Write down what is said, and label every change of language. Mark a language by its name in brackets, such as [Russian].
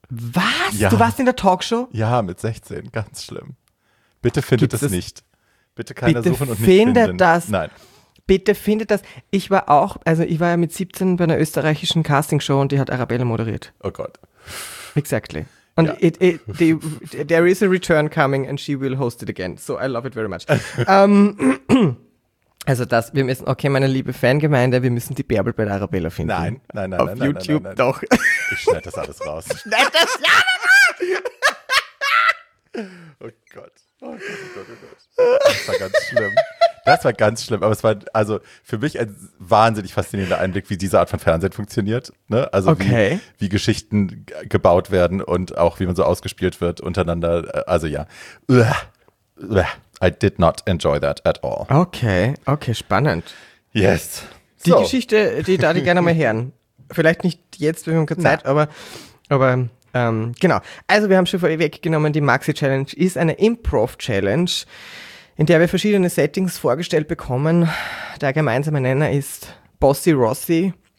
[German] Was? Ja. Du warst in der Talkshow? Ja, mit 16, ganz schlimm. Bitte findet das nicht. Bitte keiner bitte suchen und nicht finden. Bitte findet das. Nein. Bitte findet das. Ich war auch, also ich war ja mit 17 bei einer österreichischen Castingshow und die hat Arabella moderiert. Oh Gott. [English] Exactly. [German] Und ja. [English] There is a return coming and she will host it again. So I love it very much. [German] also das, wir müssen, okay, meine liebe Fangemeinde, wir müssen die Bärbel bei der Arabella finden. Nein, nein, nein, auf nein, auf YouTube nein, nein, nein, nein. Doch. Ich schneide das alles raus. Schneid das alles raus! Oh Gott. Oh Gott, oh Gott, oh Gott. Das war ganz schlimm. Das war ganz schlimm, aber es war also für mich ein wahnsinnig faszinierender Einblick, wie diese Art von Fernsehen funktioniert. Ne? Also okay. wie Geschichten gebaut werden und auch wie man so ausgespielt wird untereinander. Also ja, [English] I did not enjoy that at all. [German] Okay, okay, spannend. [English] Yes. [German] Die so. Geschichte, die darf ich gerne mal hören. Vielleicht nicht jetzt, wir haben keine Zeit, aber genau. Also wir haben schon vorher weggenommen, die Maxi-Challenge ist eine Improv-Challenge, in der wir verschiedene Settings vorgestellt bekommen. Der gemeinsame Nenner ist Bossy Rossi.